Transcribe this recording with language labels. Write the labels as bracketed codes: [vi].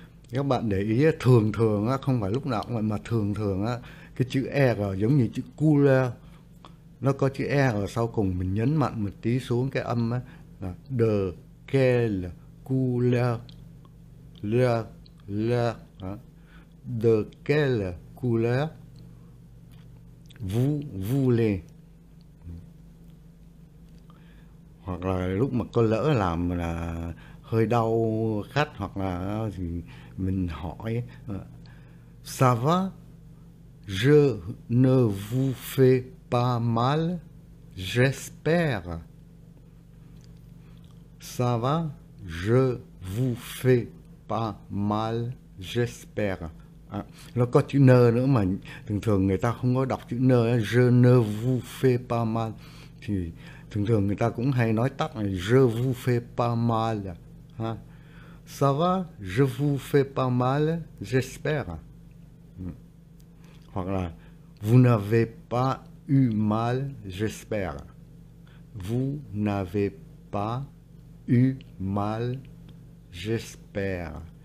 [vi] Các bạn để ý thường thường á, không phải lúc nào cũng vậy, mà thường thường á, cái chữ R giống như chữ cooler, nó có chữ R sau cùng, mình nhấn mạnh một tí xuống cái âm á, là [fr] de quelle couleur, le, [vi] đó. [fr] De quelle couleur vous voulez. [vi] Hoặc là lúc mà có lỡ làm là hơi đau khách, hoặc là thì mình hỏi [fr] ça va, je ne vous fais pas mal, j'espère. Ça va, je vous fais pas mal, j'espère. [vi] À, nó có chữ ne nữa mà thường thường người ta không có đọc chữ ne, [fr] je ne vous fais pas mal, [vi] thì thường thường người ta cũng hay nói tắt là [fr] je vous fais pas mal. Ha. Ça va, je vous fais pas mal, j'espère. [vi] Hoặc là [fr] Vous n'avez pas eu mal, j'espère. Vous n'avez pas eu mal, j'espère.